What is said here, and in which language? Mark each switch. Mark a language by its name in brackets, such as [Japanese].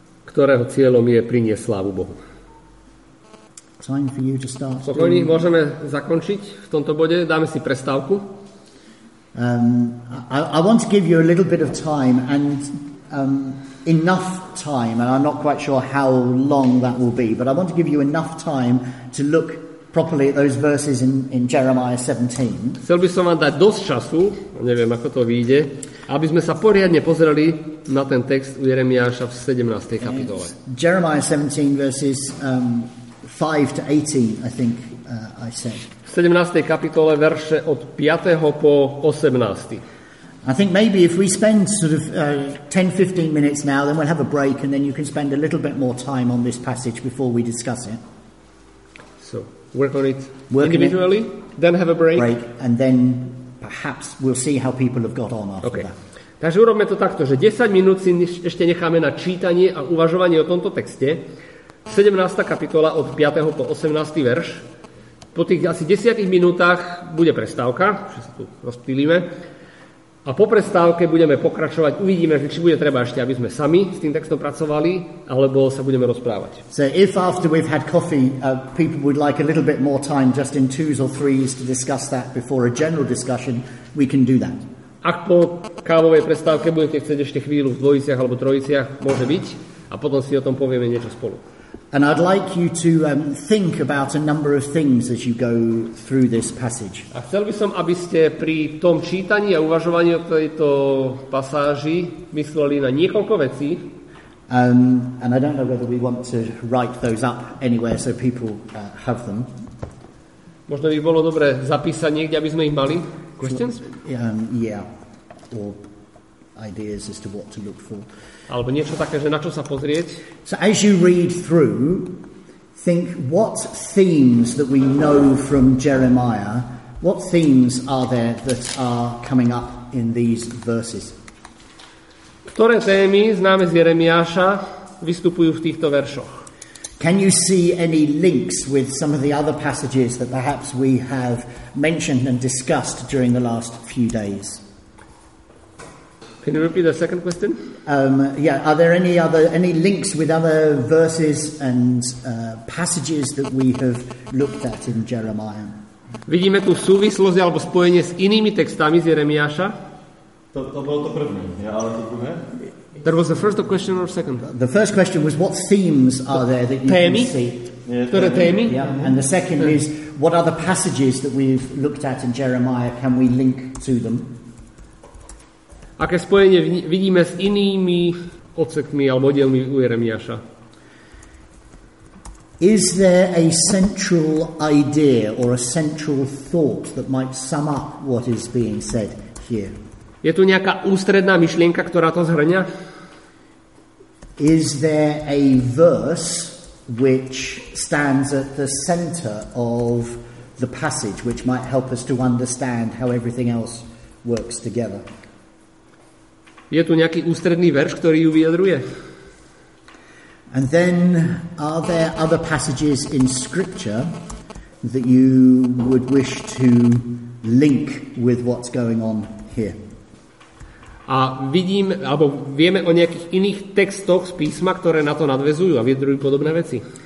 [Slovak] Ktorého cieľom je priniesť slávu Bohu. [English] Time for you to start. [Slovak] Pokojne, môžeme zakončiť v tomto bode. Dáme si prestávku. [English] I want to give you a little bit of time and enough time, and I'm not quite sure how long that will be, but I want to give you enough time to look properly at those verses in Jeremiah 17. [Slovak] Chcel by som vám dať dosť času, neviem ako to vyjde, aby sme sa poriadne pozreli na ten text u Jeremiáša v 17. kapitole. [English] Jeremiah 17 verses 5 to 18, I think I said. [Slovak] V 17. kapitole verše od 5. po 18. [English] I think maybe if we spend sort of 10-15 minutes now, then we'll have a break and then you can spend a little bit more time on this passage before we discuss it. So, work on it individually, then have a break. And then perhaps we'll see how people have got on after okay. that. [Slovak] Takže urobme to takto, že 10 minút si ešte necháme na čítanie a uvažovanie o tomto texte. 17. kapitola od 5. po 18. verš. Po tých asi 10 minútach bude prestávka, že sa tu rozptýlime. A po prestávke budeme pokračovať. Uvidíme, či bude treba ešte, aby sme sami s tým textom pracovali, alebo sa budeme rozprávať. [English] So if after we've had coffee, people would like a little bit more time just in twos or threes to discuss that before a general discussion, we can do that. [Slovak] Ak po kávovej prestávke budete chcieť ešte chvíľu v dvojiciach alebo trojiciach, môže byť, a potom si o tom povieme niečo spolu. [English] And I'd like you to think about a number of things as you go through this passage. [Slovak] A chcel by som, aby ste pri tom čítaní a uvažovaní o tejto pasáži mysleli na niekoľko vecí. [English] And I don't know whether we want to write those up anywhere so people have them. [Slovak] Možno by bolo dobre zapísať niekde, aby sme ich mali. [English] questions? Yeah, or ideas as to what to look for. [Slovak] Alebo niečo také, že na čo sa pozrieť. [English] So as you read through, think what themes that we know from Jeremiah, what themes are there that are coming up in these verses? [Slovak] Ktoré témy známe z Jeremiáša vystupujú v týchto veršoch? [English] Can you see any links with some of the other passages that perhaps we have mentioned and discussed during the last few days? Can you repeat the second question? Are there any links with other verses and passages that we have looked at in Jeremiah? [Slovak] Vidíme tu súvislosť alebo spojenie s inými textami z Jeremiáša? To bolo to první, ale to druhé? [English] That was the first question or second? The first question was what themes are there that you [Slovak] témy? [English] Can see? [Slovak] Témy? [English] Yeah. And the second témy is what other passages that we've looked at in Jeremiah can we link to them? [Slovak] Aké spojenie vidíme s inými odsekmi alebo dielmi u Jeremiáša? [English] Is there a central idea or a central thought that might sum up what is being said here? [Slovak] Je tu nejaká ústredná myšlienka, ktorá to zhrňa? [English] Is there a verse which stands at the center of the passage which might help us to understand how everything else works together? [Slovak] Je tu nejaký ústredný verš, ktorý ju vyjadruje? [English] And then are there other passages in scripture that you would wish to link with what's going on here? [Slovak] A vidím, alebo vieme o nejakých iných textoch z písma, ktoré na to nadväzujú a vyjadrujú podobné veci.